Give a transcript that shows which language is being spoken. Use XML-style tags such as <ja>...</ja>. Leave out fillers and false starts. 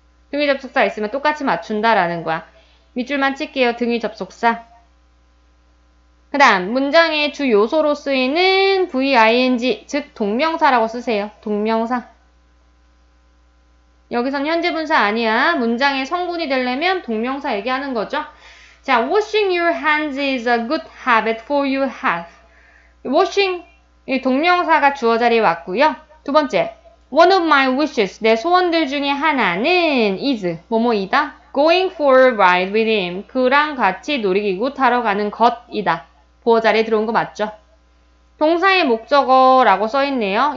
<ko>등이 접속사 있으면 똑같이 맞춘다라는 거야. 밑줄만 칠게요. 등이 접속사. 그다음 문장의 주 요소로 쓰이는 VING, 즉 동명사라고 쓰세요. 동명사. 여기선 현재 분사 아니야. 문장의 성분이 되려면 동명사 얘기하는 거죠. 자,</ko> <en>washing your hands is a good habit for your health.</en> <ko>washing, 이 동명사가 주어 자리에 왔고요. 두 번째,</ko> <en>one of my wishes,</en> <ko>내 소원들 중에 하나는 is, 뭐뭐이다.</ko> <en>going for a ride with him,</en> <ko>그랑 같이 놀이기구 타러 가는 것이다. 보어 자리에 들어온 거 맞죠? 동사의 목적어라고 써있네요.</ko>